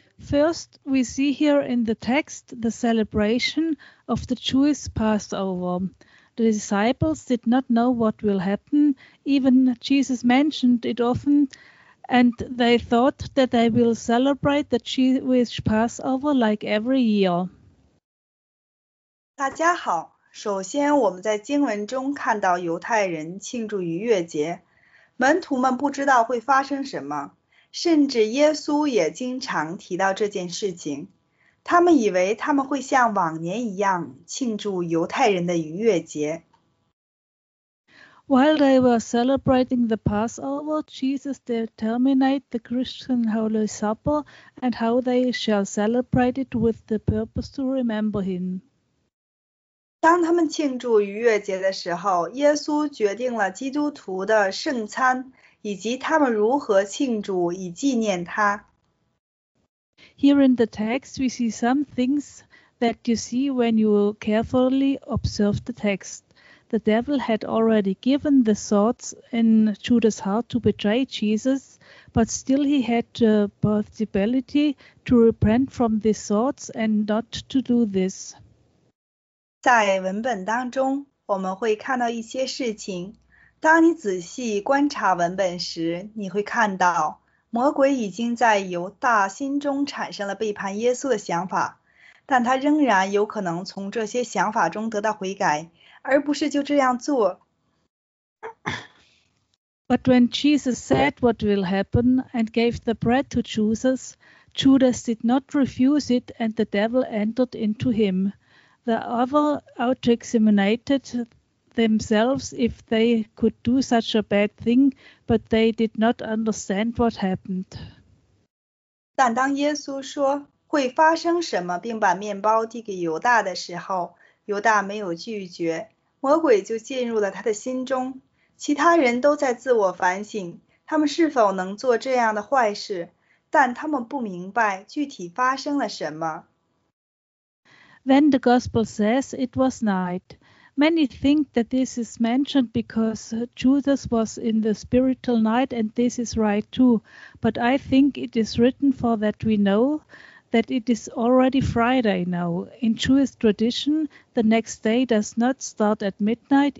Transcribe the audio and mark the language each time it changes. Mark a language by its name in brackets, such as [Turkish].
[English] First, we see here in the text the celebration of the Jewish Passover. The disciples did not know what will happen. Even Jesus mentioned it often, and they thought that they will celebrate the Jewish Passover like every year. [Chinese] 大家好，首先我们在经文中看到犹太人庆祝逾越节，门徒们不知道会发生什么。甚至耶稣也经常提到这件事情，他们以为他们会像往年一样庆祝犹太人的逾越节。 [English] While they were celebrating the Passover, Jesus determined the Christian Holy Supper and how they shall celebrate it with the purpose to remember him. [Chinese] 当他们庆祝逾越节的时候，耶稣决定了基督徒的圣餐以及他们如何庆祝以纪念他。 [English] Here in the text, we see some things that you see when you carefully observe the text. The devil had already given the thoughts in Judas' heart to betray Jesus, but still he had the possibility to repent from these thoughts and not to do this. [Chinese] 在文本当中，我们会看到一些事情。当你仔细观察文本时，你会看到魔鬼已经在犹大心中产生了背叛耶稣的想法，但他仍然有可能从这些想法中得到悔改，而不是就这样做。 [English] But when Jesus said what will happen and gave the bread to Judas, Judas did not refuse it and the devil entered into him. The other auto-examinated themselves if they could do such a bad thing, but they did not understand what happened. [Chinese] 但当耶稣说会发生什么并把面包递给犹大的时候，犹大没有拒绝，魔鬼就进入了他的心中。其他人都在自我反省，他们是否能做这样的坏事，但他们不明白具体发生了什么。 [English] Then the gospel says it was night. Many think that this is mentioned because Judas was in the spiritual night, and this is right too. But I think it is written for that we know that it is already Friday now. In Jewish tradition, the next day does not start at midnight.